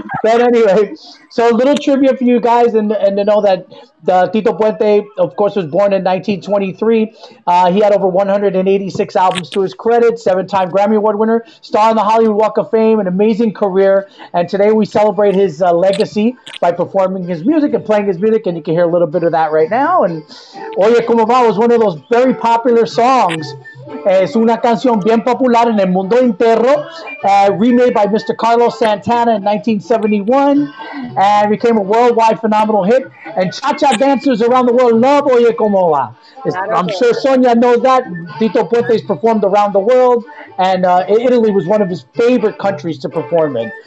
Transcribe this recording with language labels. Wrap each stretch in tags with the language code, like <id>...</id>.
<en>But anyway, so a little trivia for you guys, and to know that Tito Puente, of course, was born in 1923. He had over 186 albums to his credit, 7-time Grammy Award winner, star in the Hollywood Walk of Fame, an amazing career. And today we celebrate his legacy by performing his music and playing his music. And you can hear a little bit of that right now. And Oye, ¿cómo va? Was one of those very popular songs.</en> <es>Es una canción bien popular en el mundo entero,</es> <en>remade by Mr. Carlos Santana in 1971, and became a worldwide phenomenal hit. And cha-cha dancers around the world love Oye Como Va. I'm sure Sonia knows that. Tito Puente's performed around the world, and Italy was one of his favorite countries to perform in.</en>